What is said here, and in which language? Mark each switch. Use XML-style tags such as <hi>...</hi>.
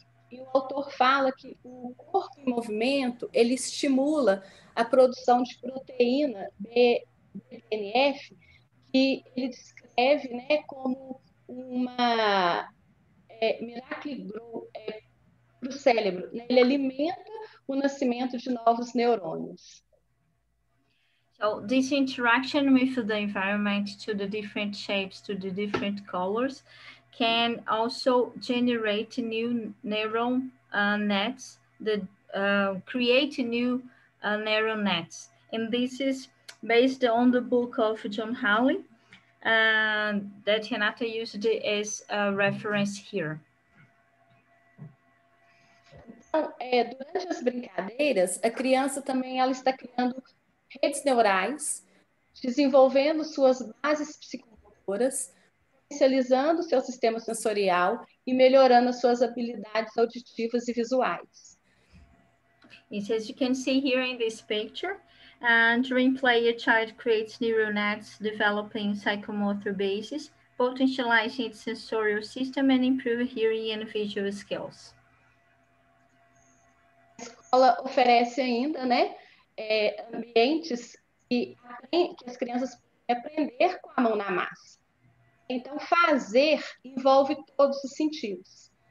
<pt>E o autor fala que o corpo em movimento, ele estimula a produção de proteína BDNF, que ele descreve, né, como para o cérebro. Ele alimenta o nascimento de novos neurônios.</pt> <en>So this interaction with the environment, to the different shapes, to the different colors, can also generate new neural nets, create new neural nets. And this is based on the book of John Hawley, that Renata used as a reference here.</en> <pt>Então, durante as brincadeiras, a criança também ela está criando redes neurais, desenvolvendo suas bases psicomotoras, potencializando seu sistema sensorial e melhorando suas habilidades auditivas e visuais.</pt> <en>Yes, as you can see here in this picture, and during play, a child creates neural nets, developing psychomotor bases, potentializing its sensorial system and improving hearing and visual skills.</en> <pt>A escola oferece ainda, né, ambientes que as crianças podem aprender com a mão na massa. Então, fazer envolve todos os sentidos.</pt>